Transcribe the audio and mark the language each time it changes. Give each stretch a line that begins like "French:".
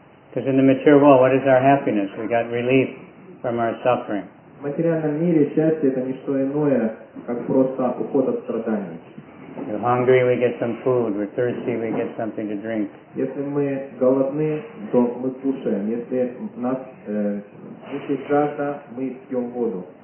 English: Because in the material world, what is our happiness? We got relief from our suffering.
Russian: В материальном мире счастье это не что иное, как просто уход от страданий.
English: We're hungry, we get some food. We're thirsty, we get something to drink.
Russian: Если мы голодны, то мы кушаем. Если нас мучает жажда, мы пьем воду.